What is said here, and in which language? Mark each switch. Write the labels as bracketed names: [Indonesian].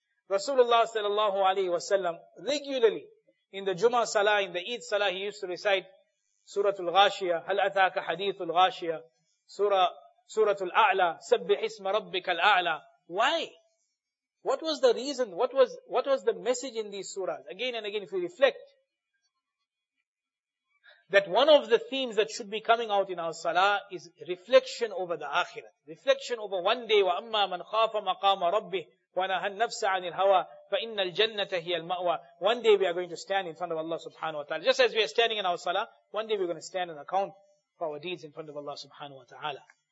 [English] Rasulullah sallallahu alayhi wa sallam regularly in the Jummah salah, in the Eid salah, he used to recite Suratul Ghashiyah, Hal Ataka Hadithul Ghashiyah, Suratul A'la, Sabbih Isma Rabbikal A'la. Why? What was the reason? What was the message in these surahs? Again and again, if you reflect, that one of the themes that should be coming out in our salah is reflection over the akhirah. Reflection over one day, [Arabic] وَأَمَّا مَنْ خَافَ مَقَامَ رَبِّهِ وَنَهَى النَّفْسَ عَنِ الْهَوَى فَإِنَّ الْجَنَّةَ هِيَ الْمَأْوَى. [English] One day we are going to stand in front of Allah subhanahu wa ta'ala. Just as we are standing in our salah, one day we are going to stand and account for our deeds in front of Allah subhanahu wa ta'ala.